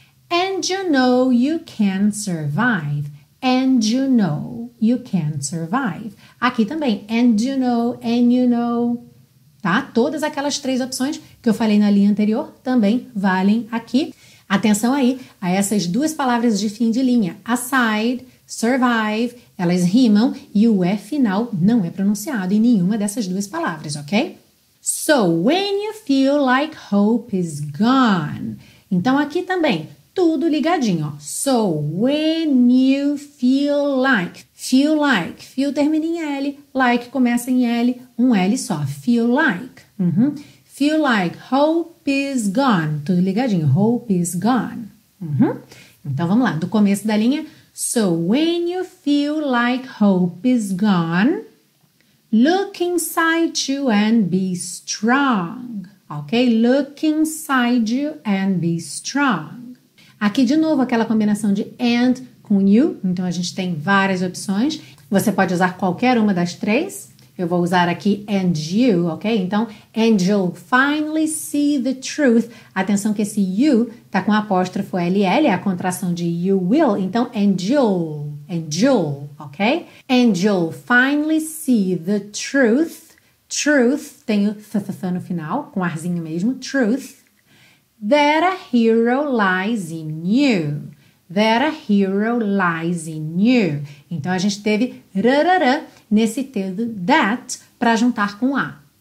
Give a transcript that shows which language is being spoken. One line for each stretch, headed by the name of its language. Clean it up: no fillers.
English: And you know you can survive. And you know you can survive.
Portuguese: Aqui também, and you know. Tá? Todas aquelas três opções que eu falei na linha anterior também valem aqui. Atenção aí a essas duas palavras de fim de linha. Aside, survive, elas rimam e o E final não é pronunciado em nenhuma dessas duas palavras, ok?
English: So, when you feel like hope is gone.
Portuguese: Então, aqui também, tudo ligadinho, ó.
English: So, when you feel like,
Portuguese: feel termina em L, like começa em L, um L só, feel like, uhum.
English: Feel like hope is gone.
Portuguese: Tudo ligadinho.
English: Hope is gone. Uhum.
Portuguese: Então, vamos lá. Do começo da linha.
English: So, when you feel like hope is gone, look inside you and be strong. Ok? Look inside you and be strong.
Portuguese: Aqui, de novo, aquela combinação de and com you. Então, a gente tem várias opções. Você pode usar qualquer uma das três. Eu vou usar aqui and you, ok? Então,
English: and you'll finally see the truth.
Portuguese: Atenção que esse you tá com apóstrofo LL, é a contração de you will. Então,
English: and you'll,
Portuguese: ok?
English: And you'll finally see the truth.
Portuguese: Truth, tem o th no final, com arzinho mesmo. Truth.
English: That a hero lies in you. That a hero lies in you.
Portuguese: Então, a gente teve rarará nesse T do that para juntar com A.